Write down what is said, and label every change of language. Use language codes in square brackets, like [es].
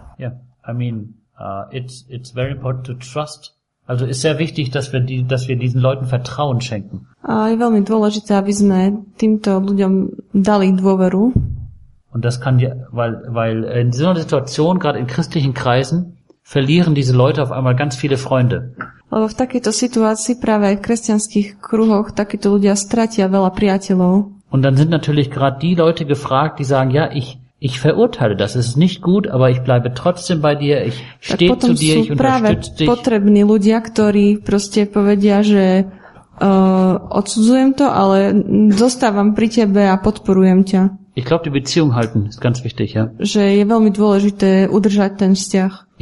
[en] Yeah, I mean, it's very important to trust. [de] Also ist sehr wichtig, dass wir diesen Leuten Vertrauen schenken. [sk] Je veľmi dôležité, aby sme týmto ľuďom dali dôveru. [de] Und das kann ja, weil in so einer Situation gerade in christlichen Kreisen verlieren diese Leute auf einmal ganz viele Freunde. [sk] Lebo v takejto situácii práve v kresťanských kruhoch takíto ľudia stratia veľa priateľov. [de] Und dann sind natürlich gerade die Leute gefragt, die sagen, ja, ich verurteile das, es ist nicht gut, aber ich bleibe trotzdem bei dir, ich stehe zu dir, ich unterstütze dich. [sk] Potrební ľudia, ktorí proste povedia, že odsudzujem to, ale zostávam pri tebe a podporujem ťa. [de] Ich glaube, die Beziehung halten ist ganz wichtig, ja. [sk] Že je veľmi dôležité udržať ten vzťah.